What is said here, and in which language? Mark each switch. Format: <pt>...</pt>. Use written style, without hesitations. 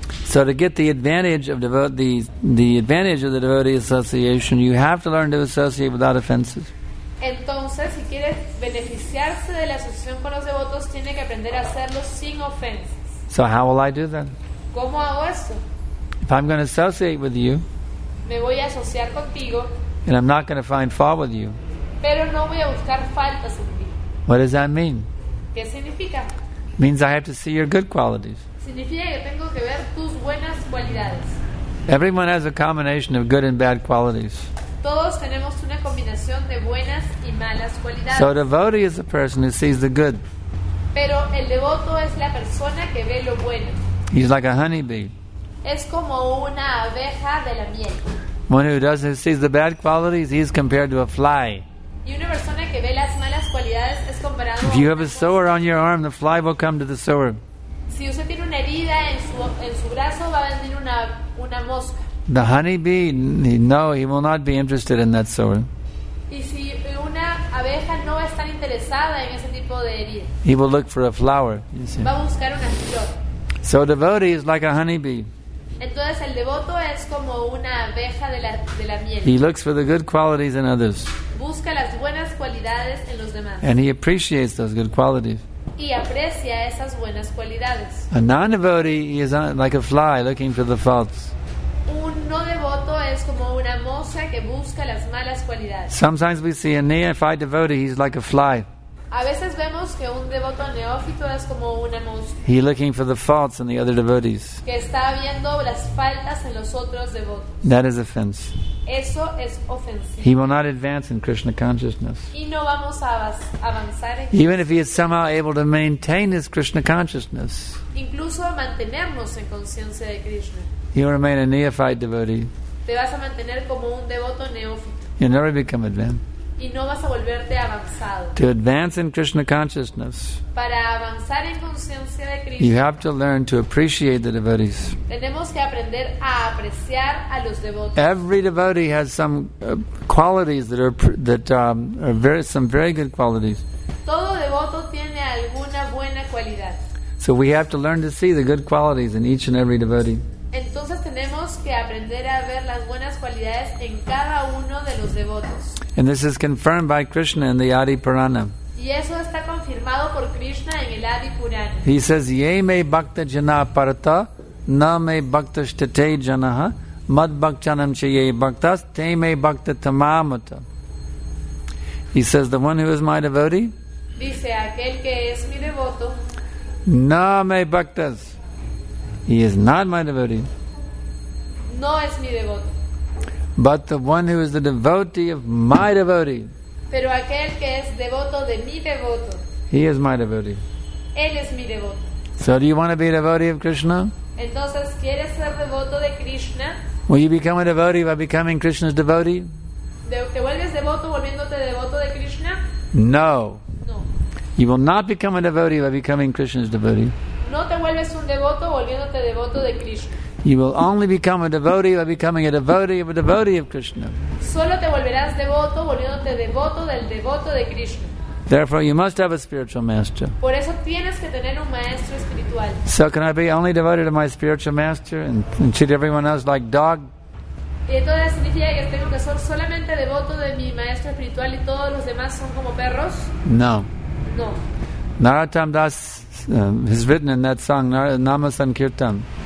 <en>So to get the advantage of the advantage of the devotee association, you have to learn to associate without offenses.</en> <es>Entonces, si quiere beneficiarse de la asociación con los devotos, tiene que aprender a hacerlo sin ofensas.</es> <en>So how will I do that?</en> <es>¿Cómo hago eso?</es> <en>If I'm going to associate with you,</en> <es>me voy a asociar contigo,</es> <en>and I'm not going to find fault with you,</en> <es>pero no voy a buscar faltas en ti.</es> <en>What does that mean?</en> <es>¿Qué significa?</es> <en>It means I have to see your good qualities.</en> <es>Significa que tengo que ver tus buenas cualidades.</es> <en>Everyone has a combination of good and bad qualities.</en> <es>Todos tenemos una combinación de buenas y malas cualidades.</es> <en>So a devotee is the person who sees the good.</en> <es>Pero el devoto es la persona que ve lo bueno.</es> <en>He's like a honeybee.</en> <es>Es como una abeja de la miel.</es> <en>One who doesn't see the bad qualities, he's compared to a fly.</en> <es>Y una persona que ve las malas cualidades es comparado a una cosa.</es> <en>If you have a sower on your arm, the fly will come to the sower.</en> <es>Si usted tiene una herida en su brazo, va a venir una mosca.</es> <en>The honeybee, no, he will not be interested in that sower.</en> <es>Y si una abeja no va a estar interesada en ese tipo de herida.</es> <en>He will look for a flower, you see.</en> <es>Va a buscar una flor.</es> <en>So a devotee is like a honeybee.</en> <es>Entonces el devoto es como una abeja de la miel.</es> <en>He looks for the good qualities in others.</en> <es>Busca las buenas cualidades en los demás.</es> <en>And he appreciates those good qualities.</en> <es>Y aprecia esas buenas cualidades.</es> <en>A non-devotee is like a fly looking for the faults.</en> <es>Un no devoto es como una mosca que busca las malas cualidades.</es> <en>Sometimes we see a neophyte devotee, he's like a fly.</en> <es>A veces vemos que un devoto neófito es como una mosca.</es> <en>He's looking for the faults in the other devotees.</en> <es>Que está viendo las faltas en los otros devotos.</es> <en>That is offense.</en> <es>Eso es ofensivo.</es> <en>He will not advance in Krishna consciousness.</en> <es>Y no vamos a avanzar en</es> <en>Even if he is somehow able to maintain his Krishna consciousness.</en> <es>Incluso mantenernos en conciencia de Krishna.</es> <en>He will remain a neophyte devotee.</en> <es>Te vas a mantener como un devoto neófito.</es> <en>You'll never become advanced.</en> <es>Y no vas a volverte avanzado.</es> <en>To advance in Krishna consciousness,</en> <es>para avanzar en conciencia de Krishna,</es> <en>you have to learn to appreciate the devotees.</en> <es>Tenemos que aprender a apreciar a los devotos.</es> <en>Every devotee has some qualities that are some very good qualities.</en> <es>Todo devoto tiene alguna buena cualidad.</es> <en>So we have to learn to see the good qualities in each and every devotee.</en> <es>Entonces tenemos que aprender a ver las buenas cualidades en cada uno de los devotos. devotos.</es> <en>And this is confirmed by Krishna in the Adi Purana.</en> <es>Y eso está confirmado por Krishna en el Adi Purana.</es> <en>He says,</en> <sa>"Ye me bhakta jana parta, na me bhakta shtate janaha, mad bhakchanam cha ye bhaktas, te me bhakta tamamata."</sa> <en>He says, "The one who is my devotee."</en> <es>Dice aquel que es mi devoto.</es> <sa>Na me bhaktas.</sa> <en>He is not my devotee.</en> <es>No es mi devoto.</es> <en>But the one who is the devotee of my devotee.</en> <es>Pero aquel que es devoto de mi devoto.</es> <en>He is my devotee.</en> <es>Él es mi devoto.</es> <en>So do you want to be a devotee of Krishna?</en> <es>Entonces, ¿quieres ser devoto de Krishna?</es> <en>Will you become a devotee by becoming Krishna's devotee?</en> <es>¿Te vuelves devoto volviéndote devoto de Krishna?</es> <en>No.</en> <es>No.</es> <en>You will not become a devotee by becoming Krishna's devotee.</en> <es>No te vuelves un devoto volviéndote devoto de Krishna.</es> <en>You will only become a devotee by becoming a devotee of a devotee of Krishna.</en> <es>Solo te volverás devoto volviéndote devoto del devoto de Krishna.</es> <en>Therefore, you must have a spiritual master.</en> <es>Por eso tienes que tener un maestro espiritual.</es> <en>So can I be only devoted to my spiritual master and treat everyone else like dog?</en> <es>Y entonces significa que tengo que ser solamente devoto de mi maestro espiritual y todos los demás son como perros?</es> <en>No.</en> <es>No.</es> <en>Narottam Das has written in that song, Nama Sankirtan.</en>